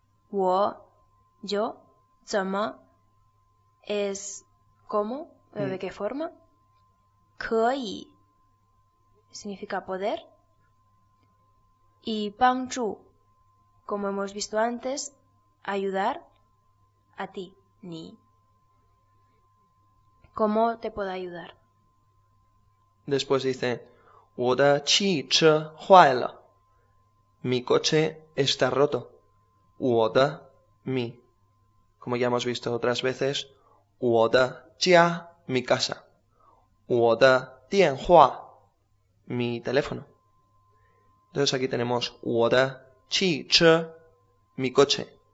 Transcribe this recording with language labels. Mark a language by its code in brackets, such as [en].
[es] 我, yo, 怎么, es, ¿cómo? ¿De qué forma? 可以, significa poder. Y 帮助, como hemos visto antes,ayudar a ti, ni. ¿Cómo te puedo ayudar? Después dice, [zh] 我的汽车坏了。 [es] Mi coche está roto. [zh] 我的, [es] mi. Como ya hemos visto otras veces, [zh] 我的家, [es] mi casa. [zh] 我的电话, [es] mi teléfono. Entonces aquí tenemos, [zh] 我的汽车, [es] mi coche.